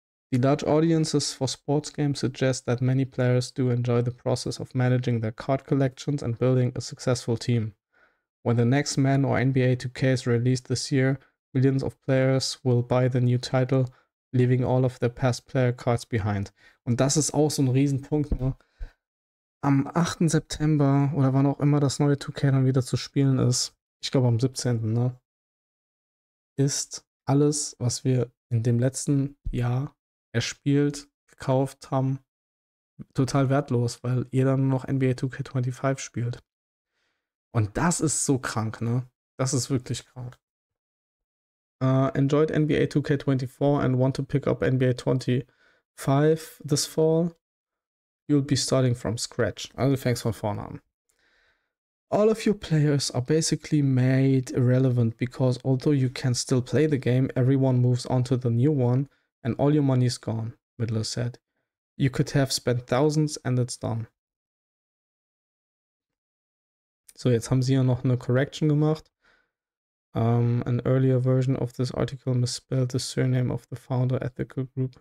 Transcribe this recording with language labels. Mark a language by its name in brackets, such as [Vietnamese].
[English] The large audiences for sports games suggest that many players do enjoy the process of managing their card collections and building a successful team. When the next Madden or NBA 2K is released this year, millions of players will buy the new title, leaving all of their past player cards behind. [German] Und das ist auch so ein Riesenpunkt. Ne? Am 8. September oder wann auch immer das neue 2K dann wieder zu spielen ist, ich glaube am 17., ne, ist alles, was wir in dem letzten Jahr erspielt, gekauft haben, total wertlos, weil jeder nur noch NBA 2K25 spielt. Und das ist so krank, ne? Das ist wirklich krank. [English] Enjoyed NBA 2K24 and want to pick up NBA 25 this fall? You'll be starting from scratch. [German] Also du fängst von vorne an. [English] All of your players are basically made irrelevant because although you can still play the game, everyone moves on to the new one and all your money is gone, Midler said. You could have spent thousands and it's done. [German] So, jetzt haben sie ja noch eine Correction gemacht. [English] An earlier version of this article misspelled the surname of the founder ethical group.